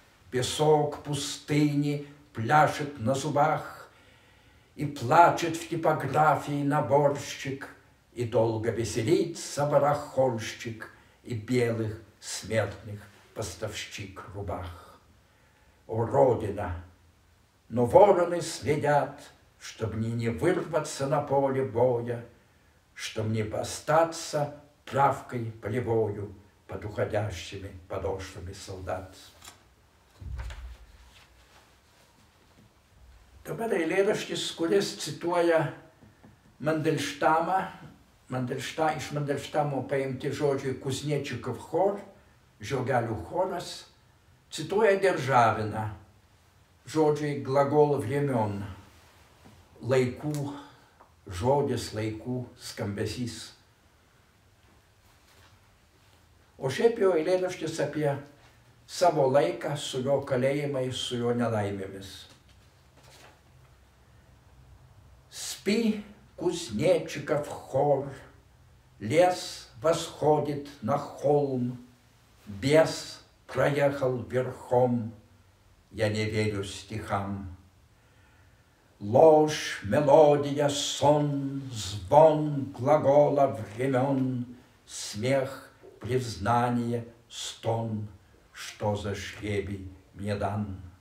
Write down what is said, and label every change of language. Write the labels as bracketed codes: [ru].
[ru] Песок пустыни пляшет на зубах, и плачет в типографии наборщик, и долго веселится барахольщик и белых смертных поставщик рубах. О, Родина! Но вороны следят, чтоб мне не вырваться на поле боя, чтоб не остаться травкой полевою под уходящими подошвами солдат. [lt] Dabar eilėraštis, kuris cituoja Mandelštamą, iš Mandelštamo paimti žodžiai [ru] Kuznečikov chor, [lt] žiogelių choras, cituoja Deržaviną, žodžiai [ru] glagol vremion, [lt] laikų, žodis laikų, skambesys. O šiaip jau eilėraštis apie savo laiką su jo kalėjimais, su jo nelaimėmis. [ru] Спи, кузнечиков хор, лес восходит на холм, бес проехал верхом, я не верю стихам. Ложь, мелодия, сон, звон глагола времен, смех, признание, стон, что за жребий мне дан.